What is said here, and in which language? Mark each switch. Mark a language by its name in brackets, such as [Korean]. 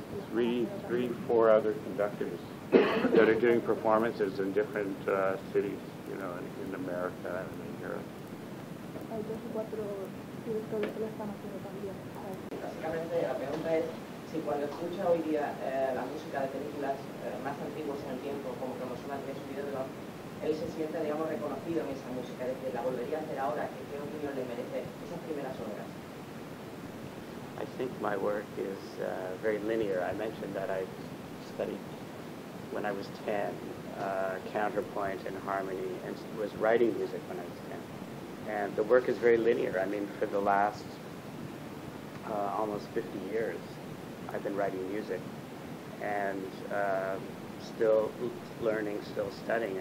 [English] three, four other conductors that are doing performances in different cities, you know, in America and in Europe. [Spanish] Hay dos o cuatro directores que lo están haciendo también. Básicamente, la pregunta es si cuando escucha hoy día la música de películas más antiguas en el tiempo, como que nos suena su video, él se siente, digamos, reconocido en esa música, de que la volvería a hacer ahora, ¿qué opinión le merece esas primeras obras? [English] I think my work is very linear. I mentioned that I studied when I was 10, counterpoint and harmony, and was writing music when I was 10. And the work is very linear. I mean, for the last almost 50 years, I've been writing music and still learning, still studying.